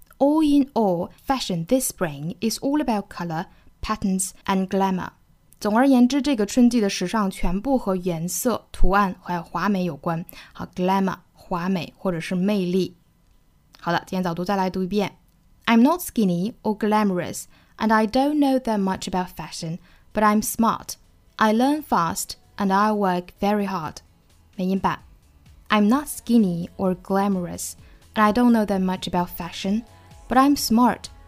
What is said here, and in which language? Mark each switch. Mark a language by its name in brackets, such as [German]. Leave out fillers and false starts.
[English] All in all, fashion this spring is all about color, patterns and glamour。 [Chinese] 总而言之，这个春季的时尚全部和颜色、图案还有华美有关。好 ，glamour 华美或者是魅力。好了，今天早读再来读一遍。 [English] I'm not skinny or glamorous, and I don't know that much about fashion, but I'm smart. I learn fast, and I work very hard. [Chinese] 美音版。 [English] I'm not skinny or glamorous, and I don't know that much about fashion, but I'm smart.